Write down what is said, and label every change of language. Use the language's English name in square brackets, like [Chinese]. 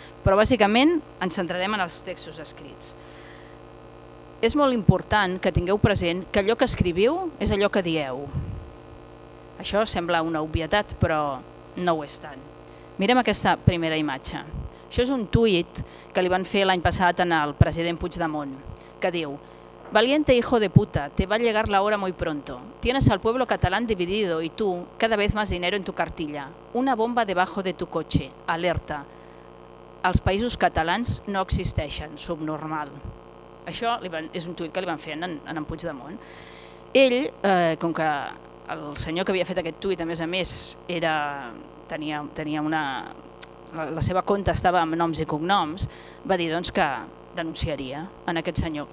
[Catalan] Però bàsicament ens centrarem en els textos escrits. És molt important que tingueu present que allò que escriviu és allò que dieu. Això sembla una obvietat, però no ho és tant. Mirem aquesta primera imatge. Això és un tuit que li van fer l'any passat al president Puigdemont, que diu: [Spanish] "Valiente hijo de puta, te va a llegar la hora muy pronto. Tienes al pueblo catalán dividido y tú, cada vez más dinero en tu cartilla. Una bomba debajo de tu coche. Alerta. [Catalan] Els països catalans no existeixen. Subnormal." Això és un tuit que li van fer en Puigdemont. Ell, com que el senyor que havia fet aquest tuit, a més, tenia una... La seva conta estava amb noms i cognoms, va dir doncs, que denunciaria en aquest senyor.